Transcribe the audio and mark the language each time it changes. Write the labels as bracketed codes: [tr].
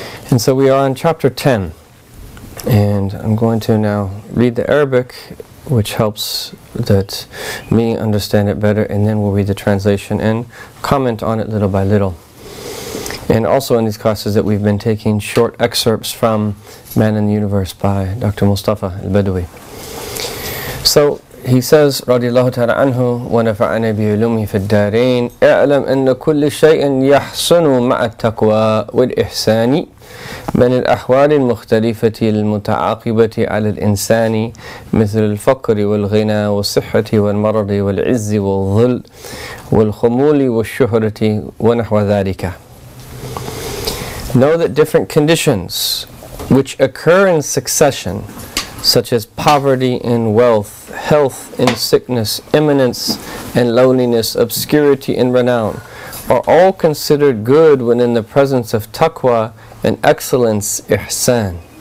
[en] And so we are on chapter 10, and I'm going to now read the Arabic, which helps that me understand it better, and then we'll read the translation and comment on it little by little. And also in these classes that we've been taking short excerpts from Man in the Universe by Dr. Mustafa al-Badawi. So he says, [ar] رضي الله تعالى عنه ونفعنا بعلومه في الدارين اعلم أن كل شيء يحسن مع التقوى والإحسان من الأحوال المختلفة المتعاقبة على الإنسان مثل الفقر والغنى والصحة والمرض والعز والذل والخمول والشهرة ونحو ذلك. [en] Know that different conditions which occur in succession, such as poverty in wealth, health in sickness, eminence and loneliness, obscurity and renown, are all considered good when in the presence of taqwa and excellence, ihsan.